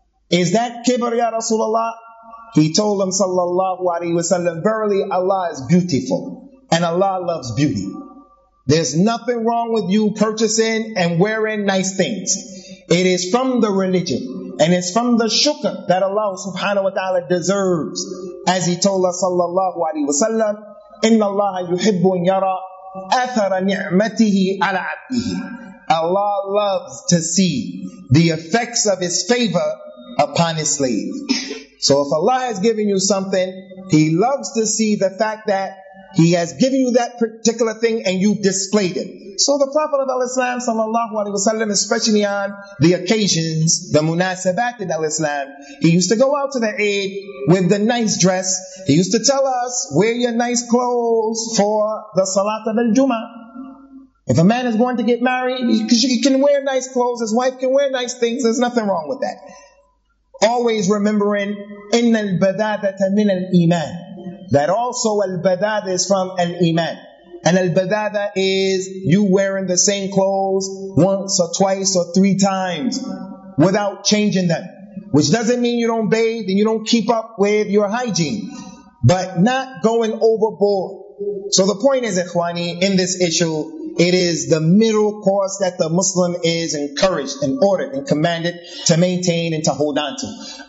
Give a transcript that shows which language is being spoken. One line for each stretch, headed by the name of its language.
English: Is that kibr, Ya Rasulullah? He told him, sallallahu alayhi wa sallam, verily Allah is beautiful and Allah loves beauty. There's nothing wrong with you purchasing and wearing nice things. It is from the religion, and it's from the shukr that Allah subhanahu wa ta'ala deserves. As he told us, sallallahu alayhi wa sallam,
Arabic: إِنَّ اللَّهَ يُحِبُّ أَنْ يَرَى أَثَرَ نِعْمَتِهِ عَلَى عَبْدِهِ.
English: Allah loves to see the effects of His favor upon His slave. So if Allah has given you something, He loves to see the fact that He has given you that particular thing and you've displayed it. So the Prophet of Al-Islam, sallallahu alayhi wa sallam, especially on the occasions, the munasabat in Al-Islam, he used to go out to the Eid with the nice dress. He used to tell us, wear your nice clothes for the Salat of Al-Jum'ah. If a man is going to get married, he can wear nice clothes, his wife can wear nice things, there's nothing wrong with that. Always remembering,
Arabic: إِنَّ الْبَذَاذَةَ مِنَ الْإِيمَانِ.
English: That also al-badada is from al-iman. And al-badada is you wearing the same clothes once or twice or three times without changing them. Which doesn't mean you don't bathe and you don't keep up with your hygiene. But not going overboard. So the point is, ikhwani, in this issue, it is the middle course that the Muslim is encouraged and ordered and commanded to maintain and to hold on to.